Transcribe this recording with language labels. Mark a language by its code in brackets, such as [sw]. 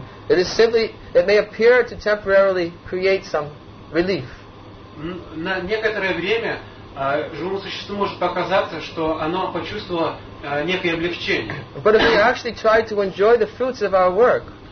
[en] It is simply, it may appear to temporarily create some relief. [ru] На некоторое время живому существу может показаться, что оно почувствовало некое облегчение. [en] But if we actually try to enjoy the fruits of our work,